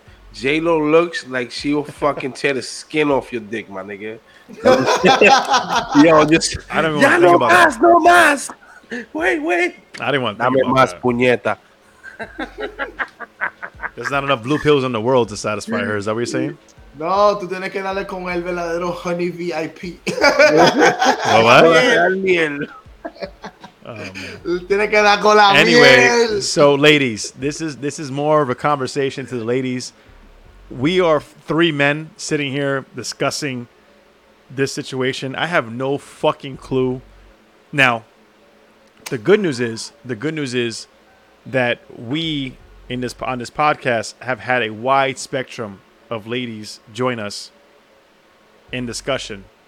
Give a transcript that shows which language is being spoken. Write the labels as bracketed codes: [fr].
[en] J-Lo looks like she will fucking tear the skin off your dick, my nigga. Yo, just... I don't even want to think about it. [es] No mas. [en] Wait. I didn't want to think about it. [es] Dame mas, puñeta. [en] There's not enough blue pills in the world to satisfy her. Is that what you're saying? [es] No, tú tienes que darle con el verdadero [en] honey VIP. Oh, what? Oh, man. Anyway, so ladies, this is more of a conversation to the ladies. We are three men sitting here discussing this situation. I have no fucking clue. Now, the good news is that we on this podcast have had a wide spectrum of ladies join us in discussion.